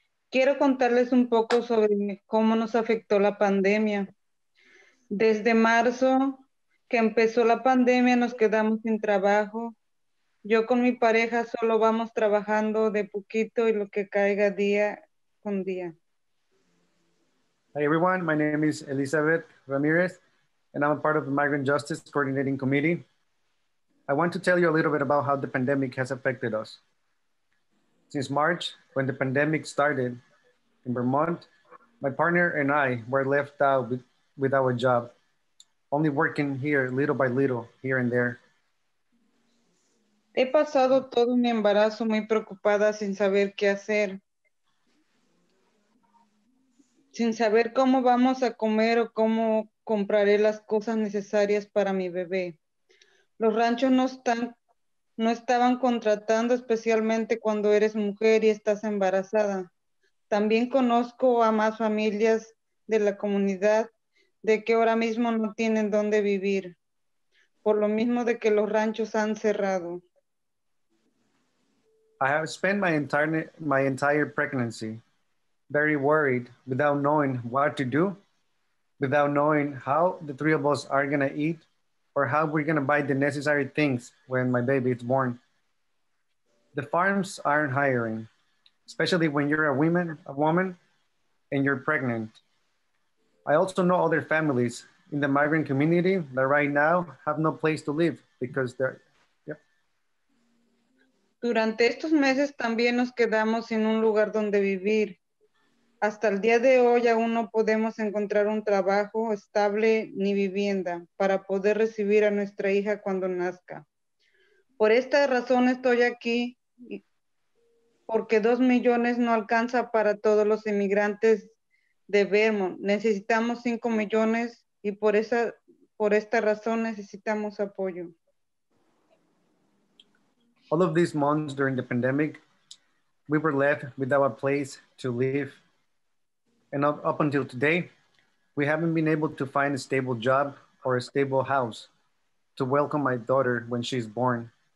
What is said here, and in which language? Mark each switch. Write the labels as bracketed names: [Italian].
[Spanish] Quiero contarles un poco sobre cómo nos afectó la pandemia. Desde marzo, que empezó la pandemia, nos quedamos sin trabajo. Yo con mi pareja solo vamos trabajando de poquito y lo que caiga día con día. [English] Hi everyone, my name is Elizabeth Ramirez and I'm a part of the Migrant Justice Coordinating Committee. I want to tell you a little bit about how the pandemic has affected us. Since March, when the pandemic started in Vermont, my partner and I were left out without a job, only working here little by little, here and there. [Spanish] He pasado todo mi embarazo muy preocupada sin saber qué hacer. Sin saber cómo vamos a comer o cómo compraré las cosas necesarias para mi bebé. Los ranchos no estaban contratando, especialmente cuando eres mujer y estás embarazada. También conozco a más familias de la comunidad de que ahora mismo no tienen dónde vivir, por lo mismo de que los ranchos han cerrado. [English] I have spent my entire pregnancy very worried without knowing what to do, without knowing how the three of us are going to eat, or how we're gonna buy the necessary things when my baby is born. The farms aren't hiring, especially when you're a woman and you're pregnant. I also know other families in the migrant community that right now have no place to live because they're, yep. [Spanish] Durante estos meses también nos quedamos sin un lugar donde vivir. Hasta el día de hoy aún no podemos encontrar un trabajo estable ni vivienda para poder recibir a nuestra hija cuando nazca. Por esta razón estoy aquí, porque 2 millones no alcanza para todos los inmigrantes de Vermont. Necesitamos 5 millones y por esta razón necesitamos apoyo. [English] All of these months during the pandemic, we were left without a place to live. And up until today, we haven't been able to find a stable job or a stable house to welcome my daughter when she's born.